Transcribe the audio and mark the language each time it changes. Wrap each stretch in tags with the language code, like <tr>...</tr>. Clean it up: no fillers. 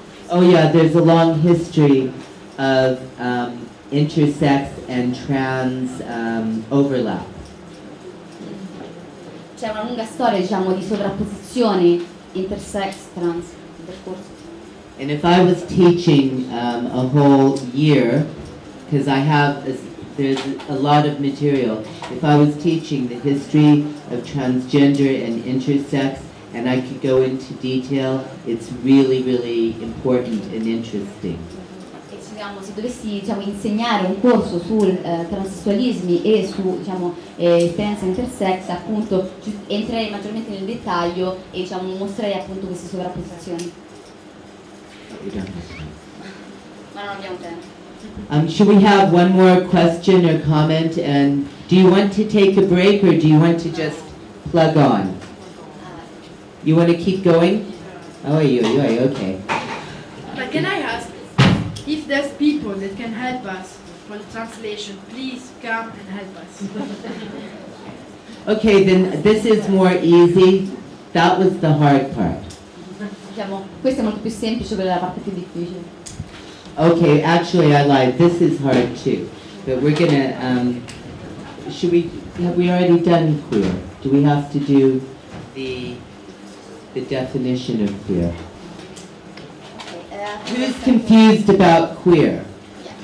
<en>Oh yeah, there's a long history of intersex and trans overlap.</en> <it>C'è una lunga storia, diciamo, di sovrapposizione intersex trans percorso.</it> <en>And if I was teaching a whole year, because I have there's a lot of material. If I was teaching the history of transgender and intersex, and I could go into detail, it's really, really important and interesting.</en> <it>Se dovessi diciamo, insegnare un corso sul transessualismi e su diciamo, esperienza intersex, appunto entrerei maggiormente nel dettaglio e diciamo, mostrerei appunto queste sovrapposizioni. Ma non abbiamo tempo.</it> <en>Should we have one more question or comment? And do you want to take a break or do you want to just plug on? You want to keep going? Oh, you're okay. But can I ask? If there's people that can help us for the translation, please come and help us. Okay, then this is more easy. That was the hard part.</en> <it>Questa è molto più semplice, quella è la parte più difficile.</it> <en>Okay, actually I lied. This is hard too. But we're gonna, have we already done queer? Do we have to do the definition of queer? Who's confused about queer? Yeah.</en>